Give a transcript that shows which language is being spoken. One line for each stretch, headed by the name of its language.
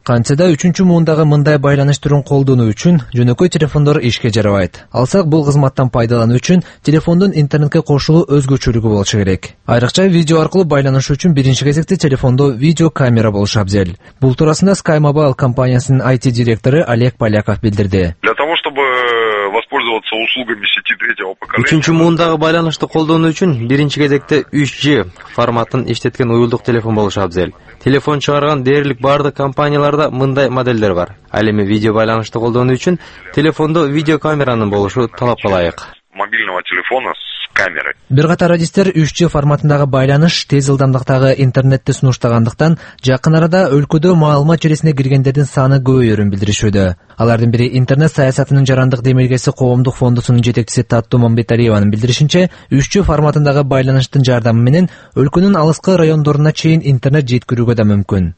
Kyrgyz: Кантсе да 3-чү муундагы мындай байланыш түрүн колдонуу үчүн жөнөкөй телефондор ишке жарабайт. Алсак, бул кызматтан пайдалануу үчүн телефондун интернетке кошулуу өзгөчөлүгү болушу керек. Айрыкча видео аркылуу байланыш үчүн биринчи кезекте телефондо видео камера болушу абзел. Бул туурасында Sky Mobile компаниясынын IT директору Олег Поляков билдирди.
Russian: Для того, чтобы воспользоваться услугами сети третьего поколения.
Kyrgyz: 3-чү муундагы байланышты колдонуу үчүн биринчи кезекте 3G форматын иштеткен уюлдук телефон болушу абзел. Телефон чыгарган дээрлик бардык компанияларда мындай моделдер бар. Ал эми видео байланышты колдонуу үчүн телефондо видео камеранын болушу талапка ылайык.
Russian: Мобильного телефона с камерой.
Kyrgyz: Бир катар адистер 3G форматындагы байланыш тез ылдамдыктагы интернетти сунуштагандыктан жакын арада өлкөдө маалымат жүйөсүнө киргендердин саны көбөйөрүн билдиришүүдө. Алардын бири интернет саясатынын жарандык демилгеси коомдук фондусунун жетекчиси Таттуу Мамбетариеванын билдиришинче, 3G форматындагы байланыштын жардамы менен өлкөнүн алыскы райондоруна чейин интернет жеткирүүгө да мүмкүн.